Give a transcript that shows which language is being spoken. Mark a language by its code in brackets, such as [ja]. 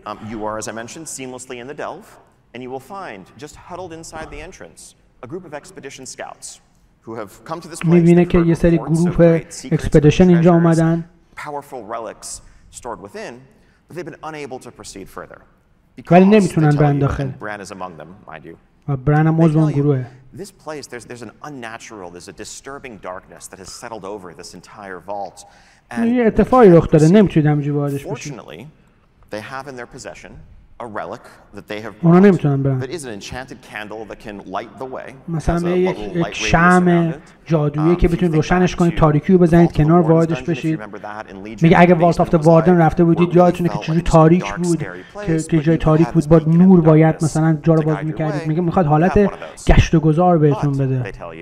[en] You are, as I mentioned, seamlessly in the delve and you will find just huddled inside the entrance a group of expedition scouts who have come to this place. [fa] می‌بینه که یه سری گروه اکسپدیشن اینجا اومدن. [en] Powerful relics stored within, but they've been unable to proceed further. [fa] ولی نمیتونن برن داخل. [en] Brand is among them, mind you. [fa] و برن هم عضو اون گروهه. [en] This place, there's an unnatural, there's a disturbing darkness that has settled over this entire vault. [fa] یه اتفاقی رخ داده، نمیتونید همینجوری واردش بشید. [en] Fortunately, they have in their possession a relic that they have brought that is an enchanted candle that can light the way. [fa] مثلا یک شمع جادویی که بتونید روشنش کنید، تاریکی رو بزنید کنار واردش بشید. میگه اگه والت آف واردن رفته بودید یادتونه که چجوری تاریک بود، که جای تاریک بود با نور باید مثلا جا رو باز میکردید. میگه میخواد حالت گشت و گذار بهتون بده.